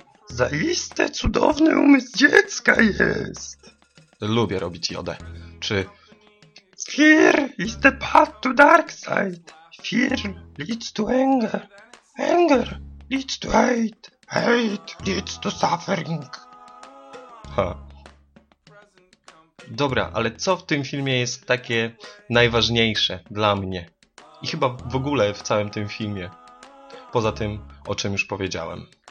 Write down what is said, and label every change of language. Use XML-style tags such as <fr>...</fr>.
<pl>Zaiste cudowny umysł dziecka jest. Lubię robić Jodę. Czy...</pl> <en>Fear is the path to dark side. Fear leads to anger. Anger leads to hate. Hate leads to suffering. Ha.</en> <pl>Dobra, ale co w tym filmie jest takie najważniejsze dla mnie? I chyba w ogóle w całym tym filmie. Poza tym, o czym już powiedziałem.</pl>